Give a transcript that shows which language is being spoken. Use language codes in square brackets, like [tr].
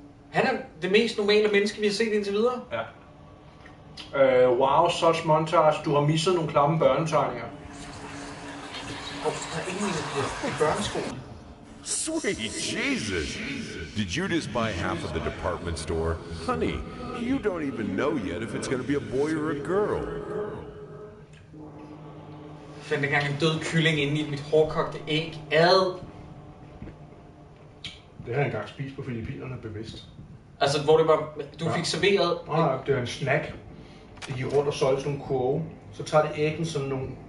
[da] Han er det mest normale menneske, vi har set indtil videre. [en] Ja. Wow, such montage. [da] Du har misset nogle klamme børnetegninger. Der er ingen af de børneskolen. [en] Sweet Jesus! Did you just buy half of the department store? Honey, you don't even know yet if it's gonna be a boy or a girl. [da] Fandt engang en død kylling inde i mit hårdkogte æg. Ad! Det har jeg engang spist på Filippinerne bevidst. Altså, hvor det var... Du fik serveret... Nej, det er en snack. Det gik rundt og solgte sådan nogle kurve. Så tager det æggen sådan nogle